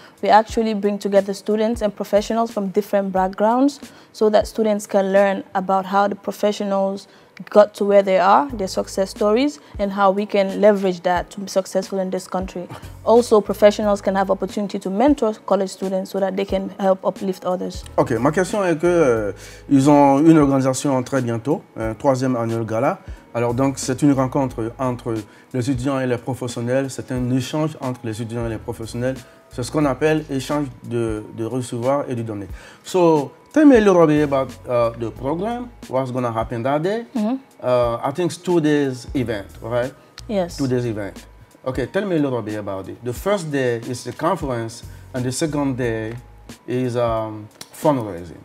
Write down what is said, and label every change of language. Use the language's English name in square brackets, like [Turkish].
[English] We actually bring together students and professionals from different backgrounds so that students can learn about how the professionals got to where they are, their success stories, and how we can leverage that to be successful in this country. Also, professionals can have opportunity to mentor college students so that they can help uplift others. [French] Okay, ma question est que ils ont une organisation très bientôt, troisième annual gala. Alors donc, c'est une rencontre entre les étudiants et les professionnels, c'est un échange entre les étudiants et les professionnels. C'est ce qu'on appelle échange de recevoir et de donner. [English] So, tell me a little bit about the program, what's going to happen that day. Mm-hmm. I think it's 2 days event, right? Yes. 2 days event. Okay, tell me a little bit about it. The first day is the conference, and the second day is fundraising.